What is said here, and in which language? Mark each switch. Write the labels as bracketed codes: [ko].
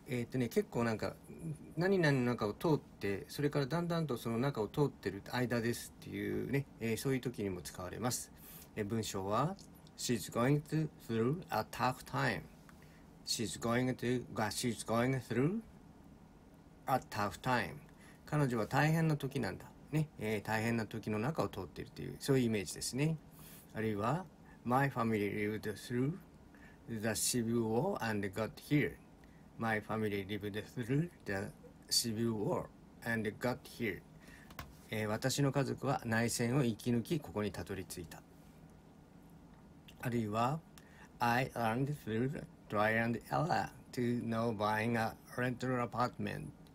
[ja] 結構なんか何々の中を通って、それからだんだんとその中を通ってる間ですっていうね、そういう時にも使われます。文章は [en] She's going through a tough time. She's going through a tough time. [ja] 彼女は大変な時なんだね、大変な時の中を通っているという、そういうイメージですね。あるいは [en] My family lived through the Civil War and got hereMy family lived through the Civil War and got here. [ja] 私の家族は内戦を生き抜き、ここにたどり着いた。あるいは、 [en] I learned through trial and error to know buying a rental apartment.